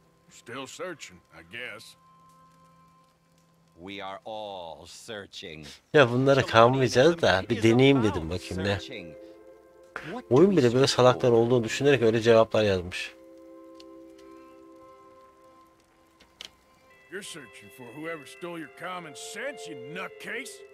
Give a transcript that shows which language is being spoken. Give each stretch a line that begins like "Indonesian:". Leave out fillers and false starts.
English: Still searching, I guess. We are all searching.
Turkish: Ya bunlara kalmayacağız da bir deneyeyim dedim bakayım ne. Oyun bile böyle salaklar olduğunu düşünerek öyle cevaplar yazmış.
English: You're searching for whoever stole your common sense, you nutcase.